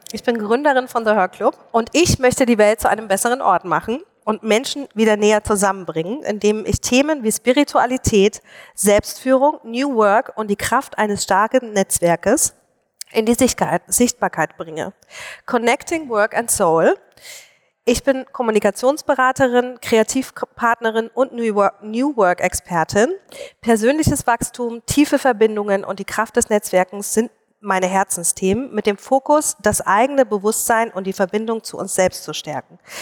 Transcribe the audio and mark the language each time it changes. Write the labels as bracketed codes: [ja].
[de] Ich bin Gründerin von The Hörclub und ich möchte die Welt zu einem besseren Ort machen und Menschen wieder näher zusammenbringen, indem ich Themen wie Spiritualität, Selbstführung, New Work und die Kraft eines starken Netzwerkes in die Sichtbarkeit bringe. [en] Connecting Work and Soul. [de] Ich bin Kommunikationsberaterin, Kreativpartnerin und New Work Expertin. Persönliches Wachstum, tiefe Verbindungen und die Kraft des Netzwerkens sind meine Herzensthemen mit dem Fokus, das eigene Bewusstsein und die Verbindung zu uns selbst zu stärken.